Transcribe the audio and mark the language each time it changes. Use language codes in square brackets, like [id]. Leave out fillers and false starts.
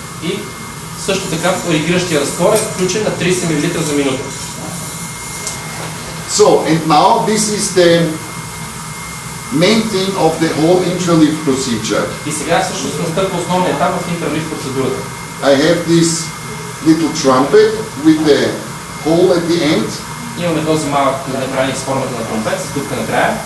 [bg] И също така коригиращия разтвор е включен на 30 мл за минута. [en] So, and now this is the main thing of the whole intralift procedure. [bg] И сега всъщност настъпва основния етап в интралифт процедурата. [en] I have this little trumpet with the hole at the end. [bg] Имаме този малък направник с формата на тромпет, с дупка на края.